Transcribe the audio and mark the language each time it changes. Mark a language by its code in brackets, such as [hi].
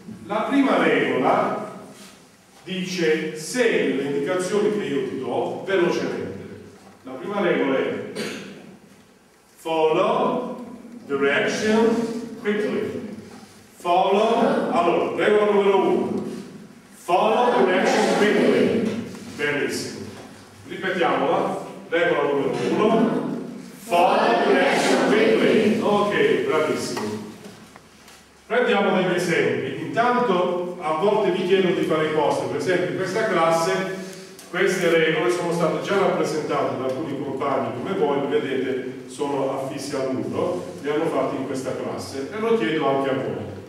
[it] La prima regola dice segui le indicazioni che io ti do velocemente. La prima regola è [en] follow direction quickly. [it] Follow, allora, regola numero uno. [en] Follow direction quickly. [it] Benissimo. Ripetiamola. Regola numero uno. [en] Follow direction quickly. [it] Ok, bravissimo. Prendiamo degli esempi. Intanto, a volte vi chiedo di fare cose. Per esempio, in questa classe Queste regole sono state già rappresentate da alcuni compagni, come voi vedete sono affissi al muro, li hanno fatti in questa classe e lo chiedo anche a voi.